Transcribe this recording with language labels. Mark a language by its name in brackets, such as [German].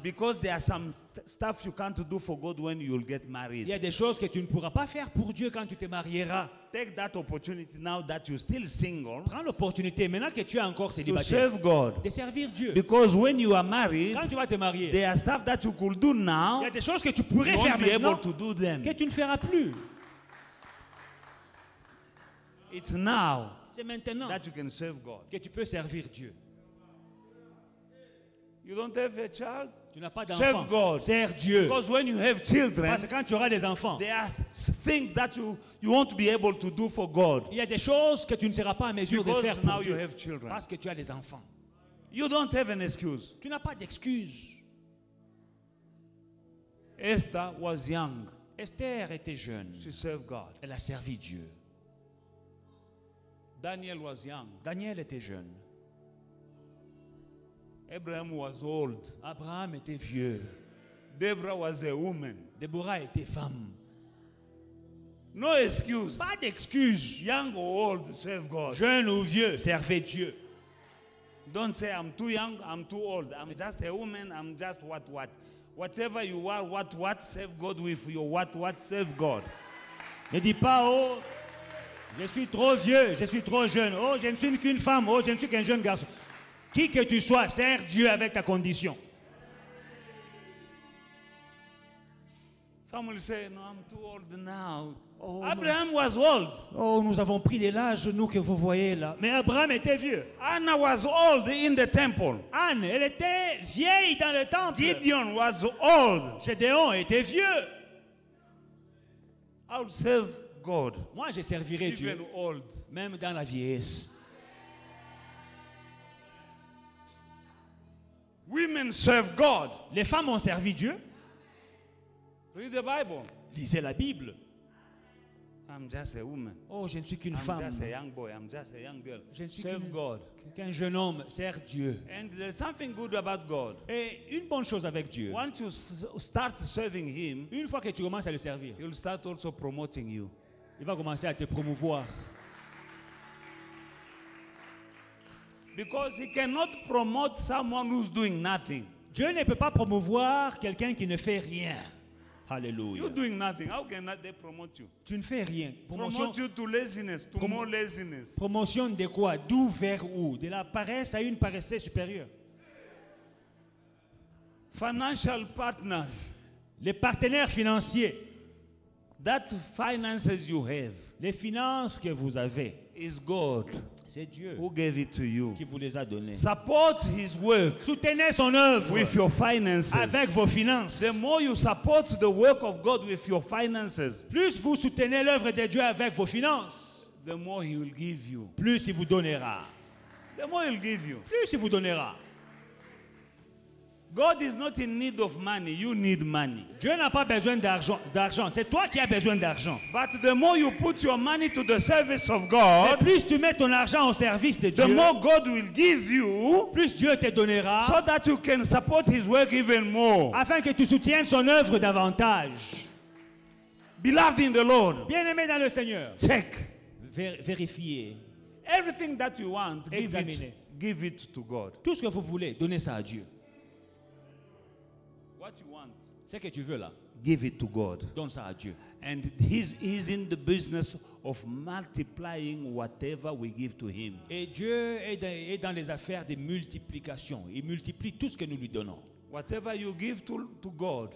[English] Because there are some stuff you can't do for God when you'll get married. [French] Il y a des choses que tu ne pourras pas faire pour Dieu quand tu te marieras. [English] Take that opportunity now that you're still single. [French] Prends l'opportunité maintenant que tu es encore célibataire. [English] To serve God. [French] De servir Dieu. [English] Because when you are married, [French] quand tu vas te marier, [English] there are stuff that you could do now. [French] Il y a des choses que tu pourrais faire maintenant. [English] Able to do them. [French] Que tu ne feras plus. [English] It's now. [French] C'est maintenant [English] that you can serve God. [French] Que tu peux servir Dieu. [English] You don't have a child? [French] Tu n'as pas d'enfant. [English] Serve God. [French] Sers Dieu. [English] Because when you have children, [French] parce que quand tu auras des enfants, [English] there are things that you won't be able to do for God. [French] Il y a des choses que tu ne seras pas en mesure [English] because [French] de faire pour [English] now [French] Dieu. [English] You have children. [French] Parce que tu as des enfants. [English] You don't have an excuse. [French] Tu n'as pas d'excuse. [English] Esther was young. [French] Esther était jeune. [English] She served God. [French] Elle a servi Dieu. [English] Daniel was young. [French] Daniel était jeune. [English] Abraham was old. [French] Abraham était vieux. [English] Deborah was a woman. [French] Deborah était femme. [English] No excuse. [French] Pas d'excuse. [English] Young or old, serve God. [French] Jeune ou vieux, servez Dieu. [English] Don't say I'm too young, I'm too old. I'm just a woman, I'm just what. Whatever you are, what, serve God with your what, serve God. [French] Ne dis pas, oh, je suis trop vieux, je suis trop jeune. Oh, je ne suis qu'une femme, oh, je ne suis qu'un jeune garçon. Qui que tu sois, sers Dieu avec ta condition. [English] Some will say, no, I'm too old now. Oh, Abraham was old. [French] Oh, nous avons pris de l'âge, nous, que vous voyez là. Mais Abraham était vieux. [English] Anna was old in the temple. [French] Anne, elle était vieille dans le temple. [English] Gideon was old. [French] Gédéon était vieux. [English] I'll serve God. [French] Moi, je servirai [English] Even [French] Dieu. [English] Old. [French] Même dans la vieillesse. [English] Women serve God. [French] Les femmes ont servi Dieu. [English] Read the Bible. [French] Lisez la Bible. [English] I'm just a woman. [French] Oh, je ne suis qu'une [English] I'm [French] femme. [English] Just a young boy. I'm just a young girl. [French] Je ne suis [English] Serve [French] qu'une, [English] God. [French] Qu'un jeune homme. Serve Dieu. [English] And there's something good about God. [French] Et une bonne chose avec Dieu. [English] Once you start serving him, [French] une fois que tu commences à le servir, [English] he'll start also promoting you. [French] Il va commencer à te promouvoir. [English] Because he cannot promote someone who's doing nothing. [French] Dieu ne peut pas promouvoir quelqu'un qui ne fait rien. [English] Hallelujah. You're doing nothing. How can they promote you? [French] Tu ne fais rien. [English] Promotion, promote you to laziness, to more laziness. [French] Promotion de quoi? D'où vers où? De la paresse à une paresse supérieure. [English] Financial partners. [French] Les partenaires financiers. [English] That finances you have. [French] Les finances que vous avez. [English] Is God. [French] C'est Dieu [English] who gave it to you. [French] Qui vous les a donné. [English] Support his work. [French] Soutenez son œuvre. [English] With your finances. [French] Avec vos finances. [English] The more you support the work of God with your finances. [French] Plus vous soutenez l'œuvre de Dieu avec vos finances. [English] The more he will give you. [French] Plus il vous donnera. [English] The more he'll give you. [French] Plus il vous donnera. [English] God is not in need of money. You need money. [French] Dieu n'a pas besoin d'argent. C'est toi qui as besoin d'argent. [English] But the more you put your money to the service of God, [French] et plus tu mets ton argent au service de Dieu, [English] the more God will give you, [French] plus Dieu te donnera, [English] so that you can support His work even more, [French] afin que tu soutiennes son œuvre davantage. [English] Beloved in the Lord, [French] bien-aimé dans le Seigneur, [English] check, [French] vérifiez, [English] everything that you want, [French] examine, [English] give it to God. [French] Tout ce que vous voulez, donnez ça à Dieu. [English] What you want. [French] Ce que tu veux là. [English] Give it to God. [French] Donne ça à Dieu. [English] And he's in the business of multiplying whatever we give to him. [French] Et Dieu est dans les affaires de multiplication. Il multiplie tout ce que nous lui donnons. [English] Whatever you give to God.